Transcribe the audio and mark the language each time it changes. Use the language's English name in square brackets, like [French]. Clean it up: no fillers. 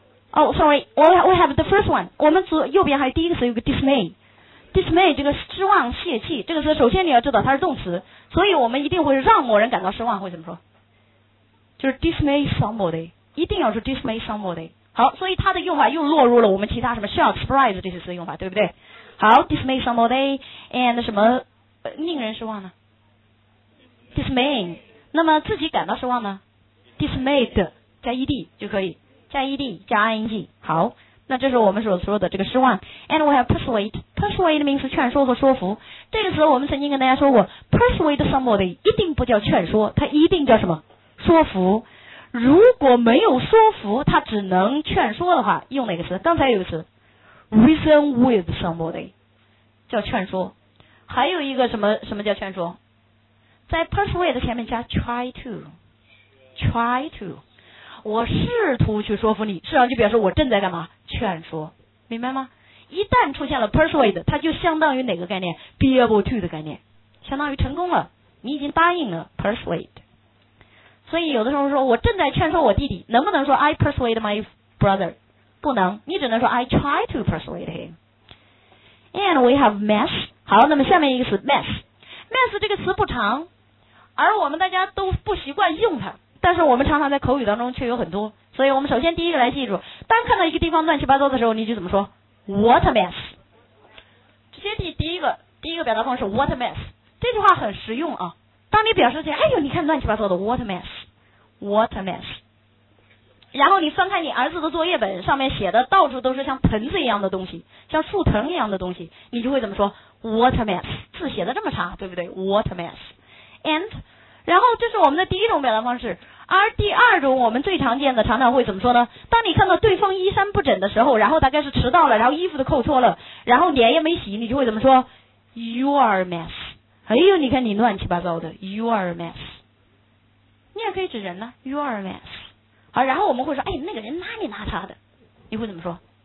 [English] Oh, sorry, we have the first one. [Chinese] 我们左右边还有第一个词，有个 dismay. Dismay 这个失望、泄气，这个词首先你要知道它是动词，所以我们一定会让某人感到失望，会怎么说？就是 [English] dismay somebody， [Chinese] 一定要说 dismay somebody。好，所以它的用法又落入了我们其他什么 shock, surprise 这些词的用法，对不对？好， [English] dismay somebody and [Chinese] 什么令人失望呢？ Dismaying。 那么自己感到失望呢？ Dismayed 加 ed 就可以。加 ed 加 ing， 好，那这是我们所说的这个失望。 [English] And we have persuade. [Chinese] Persuade 的名词劝说和说服。这个词我们曾经跟大家说过， [English] persuade somebody [Chinese] 一定不叫劝说，它一定叫什么？说服。如果没有说服，它只能劝说的话，用哪个词？刚才有个词 [English] reason with somebody [Chinese] 叫劝说。还有一个什么叫劝说？在 persuade 前面加 try to。我试图去说服你，实际上就表示我正在干嘛？劝说，明白吗？一旦出现了 persuade， 它就相当于哪个概念？ [English] be able to [Chinese] 的概念，相当于成功了，你已经答应了 persuade。所以有的时候说我正在劝说我弟弟，能不能说 [English] I persuade my brother？ [Chinese] 不能，你只能说 [English] I try to persuade him。 And we have mess。 [Chinese] 好，那么下面一个词 mess。mess 这个词不长，而我们大家都不习惯用它，但是我们常常在口语当中却有很多。所以我们首先第一个来记住，当看到一个地方乱七八糟的时候，你就怎么说？ [English] What a mess。 [Chinese] 先记第一个表达方式， [English] What a mess， [Chinese] 这句话很实用啊。当你表示起来，哎呦你看乱七八糟的， [English] What a mess， What a mess， [Chinese] 然后你翻开你儿子的作业本，上面写的到处都是像盆子一样的东西，像树藤一样的东西，你就会怎么说？ [English] What a mess， [Chinese] 字写的这么长，对不对？ [English] What a mess。 [Chinese] And然后这是我们的第一种表达方式，而第二种我们最常见的常常会怎么说呢？当你看到对方衣衫不整的时候，然后大概是迟到了，然后衣服都扣错了，然后脸也没洗，你就会怎么说？ [English] You are a mess。 [Chinese] 哎呦你看你乱七八糟的， [English] You are a mess。 [Chinese] 你也可以指人呢， [English] You are a mess。 [Chinese] 好，然后我们会说哎那个人邋里邋遢的，你会怎么说？